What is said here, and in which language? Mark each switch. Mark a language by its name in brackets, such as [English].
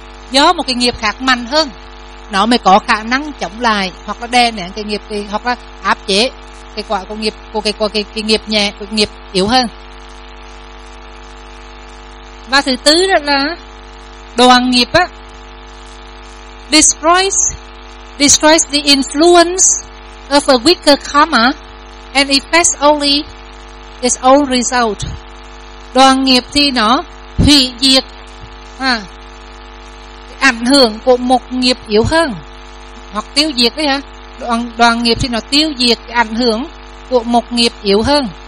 [Vietnamese] Do một cái nghiệp khác mạnh hơn, nó mới có khả năng chống lại hoặc là đè nén cái nghiệp, hoặc là áp chế cái quả của nghiệp, của cái nghiệp nhẹ, của nghiệp yếu hơn. Và thứ tư đó là đoàn nghiệp á, [English] destroys the influence of a weaker karma and effects only its own result. [Vietnamese] Đoàn nghiệp thì nó hủy diệt ảnh hưởng của một nghiệp yếu hơn, hoặc tiêu diệt đấy hả? Đoàn nghiệp thì nó tiêu diệt ảnh hưởng của một nghiệp yếu hơn.